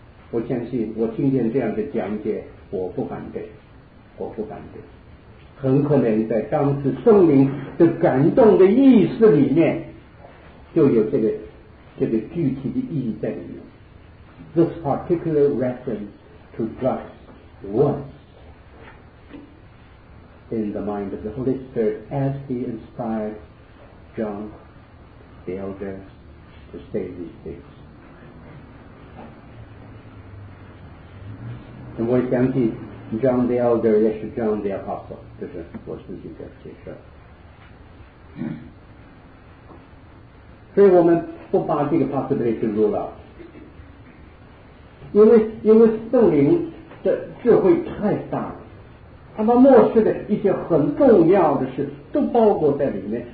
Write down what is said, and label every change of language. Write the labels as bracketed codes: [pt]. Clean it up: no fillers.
[zh] 我相信我听见这样的讲解，我不反对，我不反对。很可能在当时圣灵的感动的意识里面就有这个具体的意义在里面。 [en] This particular reference to God was in the mind of the Holy Spirit as he inspired John the elder to say these things。 [zh] 我相信 John the Elder 也是 John the Apostle， 这是我自己的解释。所以我们不把这个 possibility 入了，因为圣灵的智慧太大了，他把末世的一些很重要的事都包裹在里面。